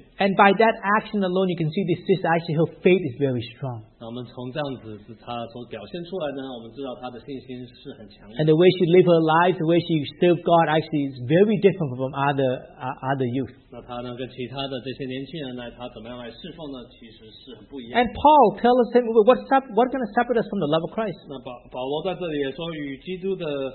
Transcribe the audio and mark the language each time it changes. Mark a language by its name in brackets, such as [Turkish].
[English] and by that action alone, you can see this sister, actually her faith is very strong. [Chinese] 那我们从这样子, [English] and the way she lived her life, the way she served God, actually is very different from other youth. [Chinese] 那他呢,跟其他的这些年轻人呢, [English] and Paul tells us, what's going to separate us from the love of Christ? [Chinese] 那保罗在这里也说与基督的,